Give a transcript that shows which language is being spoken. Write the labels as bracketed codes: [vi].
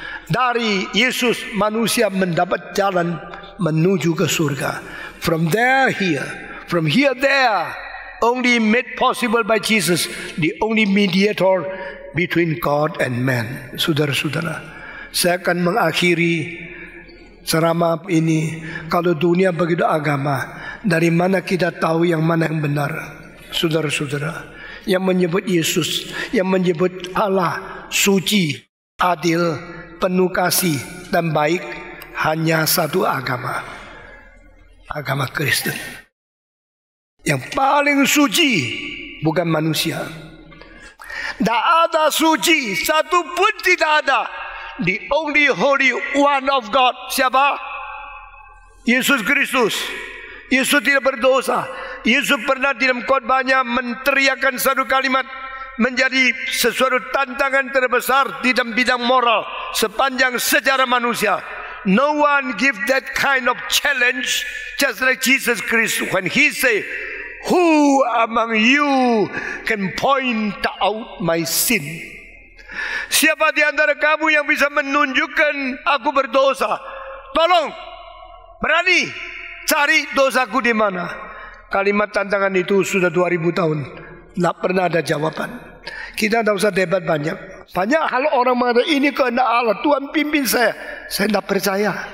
[id] Dari Yesus manusia mendapat jalan menuju ke surga. [en] From there here, from here there, only made possible by Jesus, the only mediator between God and man. [id] Saudara-saudara, saya akan mengakhiri ceramah ini. Kalau dunia begitu agama, dari mana kita tahu yang mana yang benar? Saudara-saudara, yang menyebut Yesus, yang menyebut Allah suci, adil, penuh kasih dan baik, hanya satu agama, agama Kristen. Yang paling suci bukan manusia. Tidak ada suci, satu pun tidak ada. [en] The only holy one of God. [id] Siapa? Yesus Kristus. Yesus tidak berdosa. Yesus pernah di dalam khotbahnya menteriakkan satu kalimat menjadi sesuatu tantangan terbesar di dalam bidang moral sepanjang sejarah manusia. [en] No one give that kind of challenge just like Jesus Christ when he say, who among you can point out my sin? [id] Siapa di antara kamu yang bisa menunjukkan aku berdosa? Tolong, berani cari dosaku di mana? Kalimat tantangan itu sudah 2000 tahun tidak pernah ada jawaban. Kita tidak usah debat banyak. Banyak hal orang mengatakan ini kehendak Allah, Tuhan pimpin saya. Saya tidak percaya.